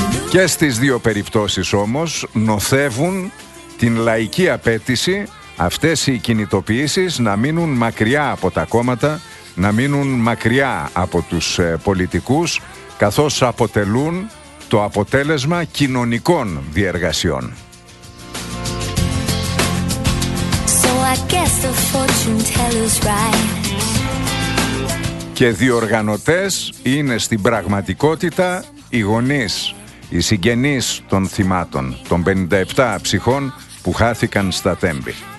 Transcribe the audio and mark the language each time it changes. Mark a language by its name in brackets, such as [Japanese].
[Greek] Και στις δύο περιπτώσεις όμως νοθεύουν την λαϊκή απέτηση αυτές οι κινητοποιήσεις να μείνουν μακριά από τα κόμματα, να μείνουν μακριά από τους πολιτικούς, καθώς αποτελούν το αποτέλεσμα κοινωνικών διεργασιών. [English] So I guess the fortune teller's right. [Greek] Και διοργανωτές είναι στην πραγματικότητα οι γονείς, οι συγγενείς των θυμάτων, των 57 ψυχών που χάθηκαν στα Τέμπη.